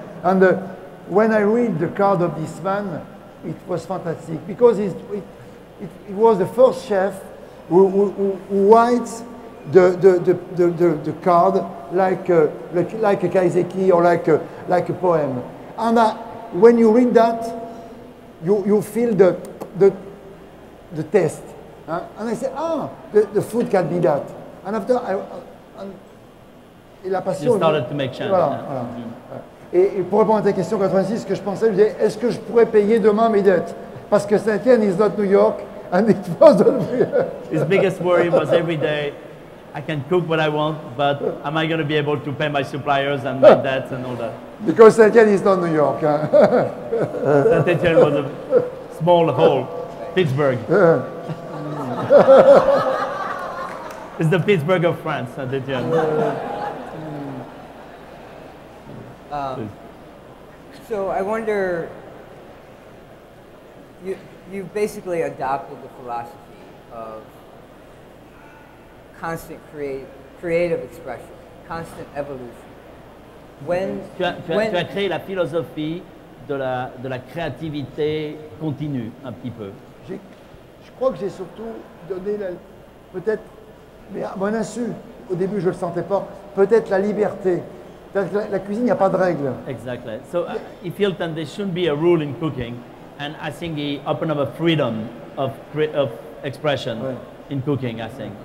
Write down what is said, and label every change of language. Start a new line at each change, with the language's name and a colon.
English: And when I read the card of this man, it was fantastic, because it was the first chef who writes the card like a kaiseki or like a poem. And when you read that, you feel the taste. Huh? And I say, the food can be that. And after la passion. You started to make change.
French: Voilà, yeah. Voilà. Et pour répondre à ta question 86, ce que je pensais, je disais, est-ce que je pourrais payer demain mes dettes? Parce que
English: Saint-Étienne is not New York, and it wasn't. His biggest worry was every day, I can cook what I want, but am I going to be able to pay my suppliers and my debts and all that? Because Saint-Étienne is not New York. Hein? Saint-Étienne was a small hole, Pittsburgh. It's the Pittsburgh of France, Saint-Étienne. So I wonder, you've basically adopted the philosophy of constant creative expression, constant evolution.
French: Tu as créé la philosophie de la créativité continue un petit peu. Je crois que j'ai surtout donné peut-être, mais à mon insu, au début je le sentais pas, peut-être la liberté. La cuisine, il n'y a pas de règles.
English: Exactly. So he felt that there shouldn't be a rule in cooking, and I think he opened up a freedom of expression in cooking, I think.